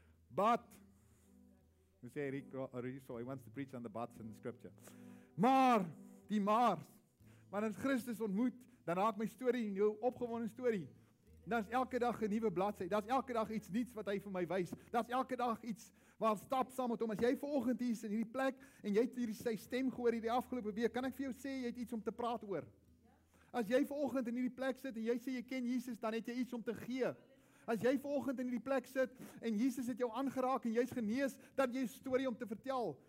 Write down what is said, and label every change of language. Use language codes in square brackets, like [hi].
[en] But we say Rico, he wants to preach on the buts in the scripture. [af] Maar die maar wanneer Christus ontmoet, dan raak my storie in jou opgewonde storie. Dan is elke dag 'n nuwe bladsy. Dan is elke dag iets nuuts wat hy vir my wys. Dan is elke dag iets waar stap saam met hom. As jy vanoggend hier is in hierdie plek en jy het hierdie sy stem gehoor hierdie afgelope week, kan ek vir jou sê jy het iets om te praat oor. As jy vanoggend in hierdie plek sit en jy sê jy ken Jesus, dan het jy iets om te gee. As jy vanoggend in hierdie plek sit en Jesus het jou aangeraak en jy's genees, dan jy 'n storie om te vertel.